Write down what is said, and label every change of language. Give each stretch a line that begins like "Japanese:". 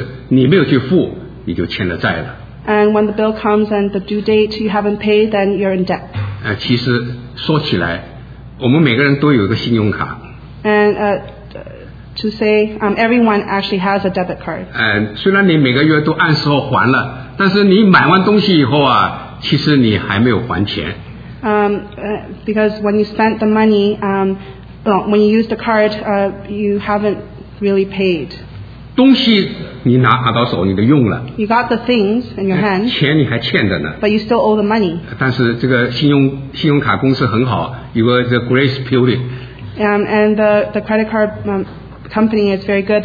Chinese: 到这个账单来了，到了应该这个付款的日子，你没有去付，你就欠了债了。And
English: when the bill comes and the due date you haven't paid, then you're in debt.
Chinese: 其实说起来。我们每个人都有一个信用卡。
English: And to say, everyone actually has a debit card.
Chinese: 虽然你每个月都按时候还了，但是你买完东西以后啊，其实你还没有还钱。
English: Because when you spent the money, when you use the card, you haven't really paid.
Chinese: 东西你拿到手，你都用了。
English: You got the things in your hand.
Chinese: 钱你还欠着呢。
English: But you still owe the money.
Chinese: 但是这个信用卡公司很好。有个 grace period.
English: And the credit card company is very good.